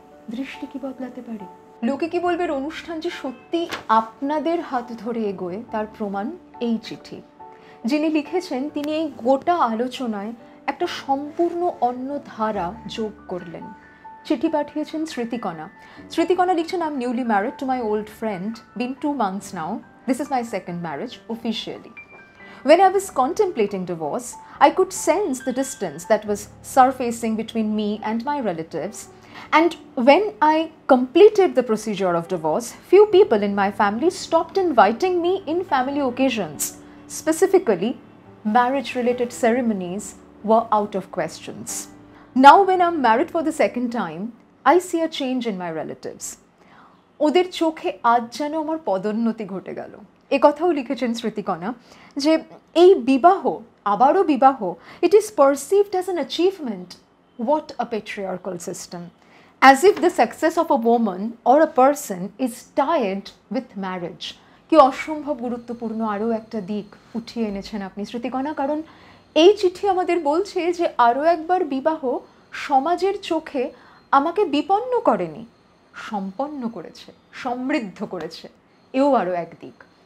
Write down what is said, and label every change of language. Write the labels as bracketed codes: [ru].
[bn] দৃষ্টি কি বদলাতে পারে, লোকে কি বলবে, অনুষ্ঠান যে সত্যি আপনাদের হাত ধরে এগোয় তার প্রমাণ এই চিঠি। যিনি লিখেছেন তিনি এই গোটা আলোচনায় একটা সম্পূর্ণ অন্য ধারা যোগ করলেন। চিঠি পাঠিয়েছেন শ্রুতিকণা। শ্রুতিকণা লিখছেন, [en] I am newly married to my old friend, been two months now, this is my second marriage officially. When I was contemplating divorce, I could sense the distance that was surfacing between me and my relatives. And when I completed the procedure of divorce, few people in my family stopped inviting me in family occasions. Specifically, marriage-related ceremonies were out of questions. Now when I'm married for the second time, I see a change in my relatives. [bn] ওদের চোখে আজ যেন আমার পদোন্নতি ঘটে গেল। একথাও লিখেছেন শ্রুতিকণা যে এই বিবাহ আবারও বিবাহ [en] it is perceived as an achievement what a patriarchal system as if the success of a woman or a person is tied with marriage [bn] কি অসম্ভব গুরুত্বপূর্ণ আরও একটা দিক উঠিয়ে এনেছেন আপনি শ্রুতিকণা কারণ এই চিঠি আমাদের বলছে যে আরও একবার বিবাহ সমাজের চোখে আমাকে বিপন্ন করেনি সম্পন্ন করেছে সমৃদ্ধ করেছে এও আরও এক দিক